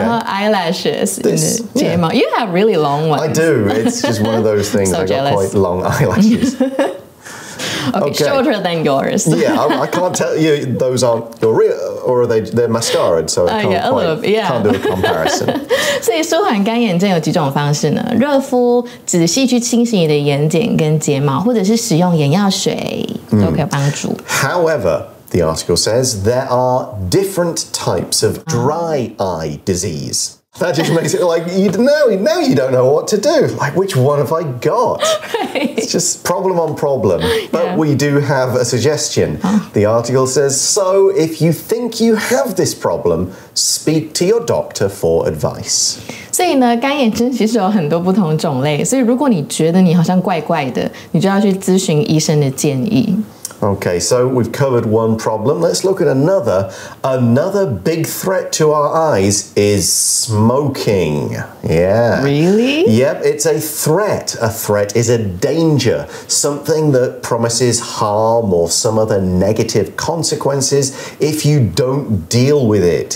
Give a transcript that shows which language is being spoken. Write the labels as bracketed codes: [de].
[en] And eyelashes. This, yeah. 睫毛。You have really long ones. I do. It's just one of those things. So I jealous. I got quite long eyelashes. Okay. Shorter than yours. Yeah, I can't tell you those aren't your real, or are they, they're mascarade, so I can't do a comparison. [zh] 所以舒缓干眼症有几种方式呢？热敷，仔细去清洗你的眼睑跟睫毛，或者是使用眼药水都可以帮助。 [en] However, the article says there are different types of dry eye disease. That just makes it like, now you don't know what to do. Like, which one have I got? Right. It's just problem on problem. But we do have a suggestion. The article says, so if you think you have this problem, speak to your doctor for advice. [zh] 所以呢，干眼症其实有很多不同种类。所以如果你觉得你好像怪怪的，你就要去咨询医生的建议。 [en] Okay, so we've covered one problem. Let's look at another. Another big threat to our eyes is smoking. Yeah. Really? Yep, it's a threat. A threat is a danger. Something that promises harm or some other negative consequences if you don't deal with it.